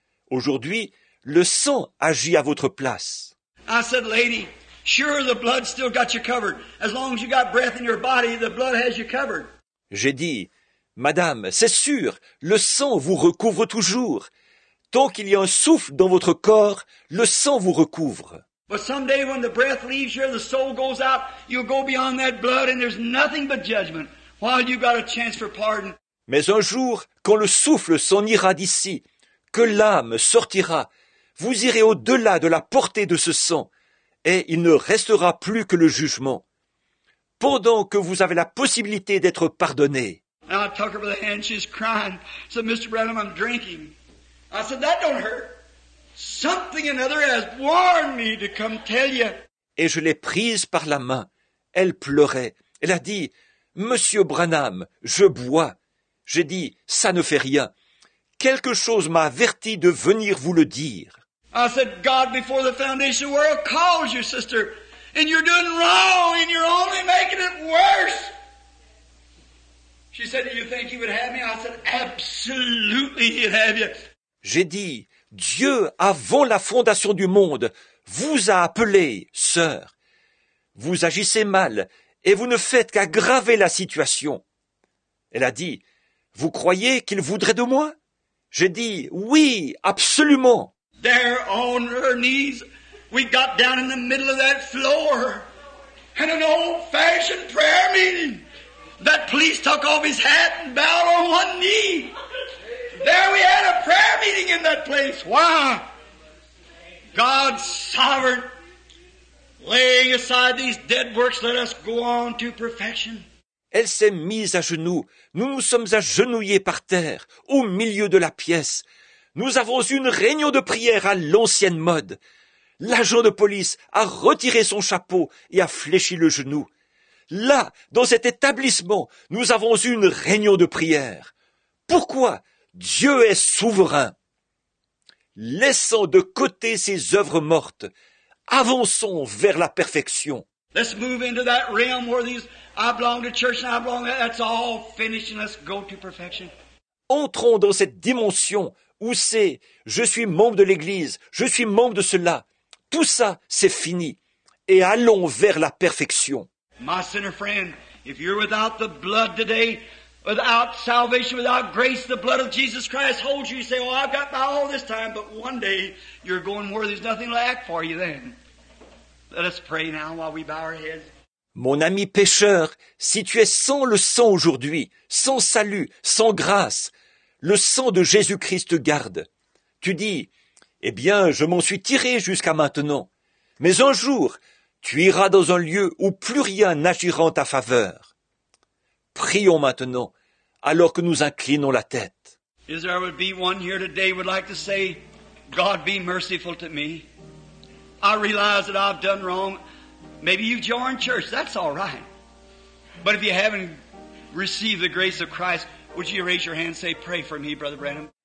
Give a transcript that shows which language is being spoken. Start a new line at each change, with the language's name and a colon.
French: Aujourd'hui, le sang agit à votre place.
English: I said, lady, sure, the blood still got you covered. As long as you got breath in your body, the blood has you covered.
French: J'ai dit, madame, c'est sûr, le sang vous recouvre toujours. Tant qu'il y a un souffle dans votre corps, le sang vous recouvre.
English: But someday when the breath leaves you, the soul goes out, you'll go beyond that blood and there's nothing but judgment while you've got a chance for pardon.
French: Mais un jour, quand le souffle s'en ira d'ici, que l'âme sortira, vous irez au-delà de la portée de ce sang et il ne restera plus que le jugement. Pendant que vous avez la possibilité d'être pardonné.
English: And I took her by the hand, she's crying. I said, Mr. Branham, I'm drinking. I said, that don't hurt. Something another has warned me to come tell you.
French: Et je l'ai prise par la main. Elle pleurait. Elle a dit, Monsieur Branham, je bois. J'ai dit, ça ne fait rien. Quelque chose m'a averti de venir vous le dire.
English: I said, God before the foundation of the world calls you, sister. And you're doing wrong and you're only making it worse. She said, do you think he would have me? I said, absolutely he'd have you.
French: J'ai dit, Dieu, avant la fondation du monde, vous a appelé, sœur. Vous agissez mal et vous ne faites qu'aggraver la situation. Elle a dit, vous croyez qu'il voudrait de moi? J'ai dit, oui, absolument.
English: There on her knees, we got down in the middle of that floor and an old-fashioned prayer meeting. That police took off his hat and bowed on one knee. There we had a prayer meeting in that place. Why? God's sovereign, laying aside these dead works, let us go on to perfection.
French: Elle s'est mise à genoux. Nous nous sommes agenouillés par terre, au milieu de la pièce. Nous avons eu une réunion de prière à l'ancienne mode. L'agent de police a retiré son chapeau et a fléchi le genou. Là, dans cet établissement, nous avons eu une réunion de prière. Pourquoi ? Dieu est souverain. Laissons de côté ses œuvres mortes. Avançons vers la perfection.
English: Let's move into that realm where these I belong to church and I belong to that's all finished and let's go to perfection.
French: Entrons dans cette dimension où c'est je suis membre de l'Église, je suis membre de cela. Tout ça, c'est fini. Et allons vers la perfection.
English: My sinner friend, if you're without the blood today, without salvation, without grace, the blood of Jesus Christ holds you. You say, oh, I've got by all this time, but one day you're going where there's nothing to act for you then. Let us pray now while we bow our heads.
French: Mon ami pécheur, si tu es sans le sang aujourd'hui, sans salut, sans grâce, le sang de Jésus-Christ te garde. Tu dis, eh bien, je m'en suis tiré jusqu'à maintenant. Mais un jour, tu iras dans un lieu où plus rien n'agira en ta faveur. Prions maintenant, alors que nous inclinons la tête.
English: Is there would be one here today would like to say, God be merciful to me. I realize that I've done wrong. Maybe you joined church. That's all right. But if you haven't received the grace of Christ, would you raise your hand and say, pray for me, Brother Branham?